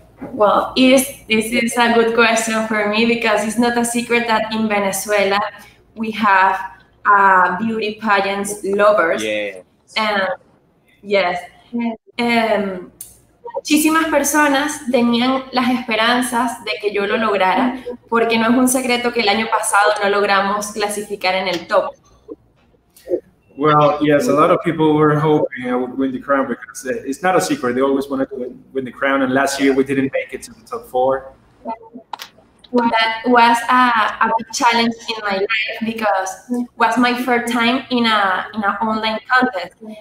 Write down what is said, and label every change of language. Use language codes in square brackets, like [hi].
[en] Well, this is a good question for me because it's not a secret that in Venezuela we have beauty pageants lovers. Yes. [es] Muchísimas personas tenían las esperanzas de que yo lo lograra porque no es un secreto que el año pasado no logramos clasificar en el top. [en] Well, yes, a lot of people were hoping I would win the crown because it's not a secret. They always wanted to win the crown, and last year we didn't make it to the top four. that was a big challenge in my life because it was my first time in an online contest.